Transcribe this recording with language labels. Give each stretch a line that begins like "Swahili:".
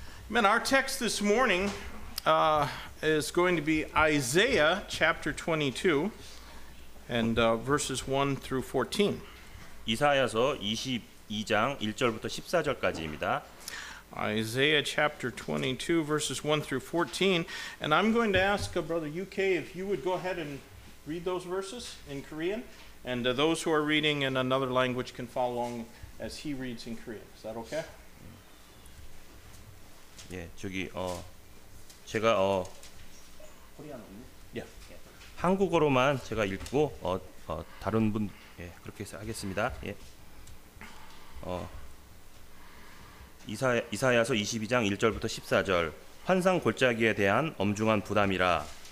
English: Man, our text this morning is going to be Isaiah chapter 22 and verses 1 through 14.
Korean: 이사야서 22장 1절부터 14절까지입니다.
English: Isaiah chapter 22 verses 1 through 14, and I'm going to ask Brother UK if you would go ahead and read those verses in Korean, and those who are reading in another language can follow along as he reads in Korean. Is that okay?
Korean: 예, 저기 제가 한국어로만 제가 읽고 다른 분 예, 그렇게 하겠습니다. 예. 이사야서 22장 1절부터 14절. 환상 골짜기에 대한 엄중한 부담이라.